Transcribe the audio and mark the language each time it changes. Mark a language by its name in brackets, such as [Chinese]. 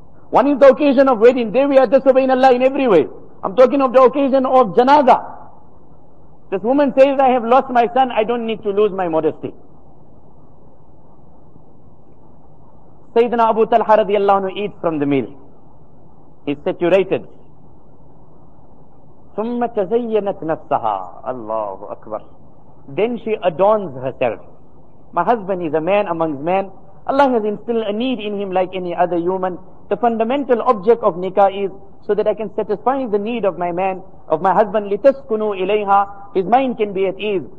[English] One is the occasion of wedding. There we are disobeying Allah in every way. I'm talking of the occasion of janazah. This woman says, I have lost my son, I don't need to lose my modesty. Sayyidina Abu Talha radiallahu anhu eats from the meal. He's saturated. [Arabic] ثُمَّ تَزَيَّنَتْ نَفْسَهَا Allahu Akbar. [English] Then she adorns herself. My husband is a man amongst men. Allah has instilled a need in him like any other human. The fundamental object of nikah is so that I can satisfy the need of my man, of my husband, [Arabic] لِتَسْكُنُوا إِلَيْهَا [English] His mind can be at ease.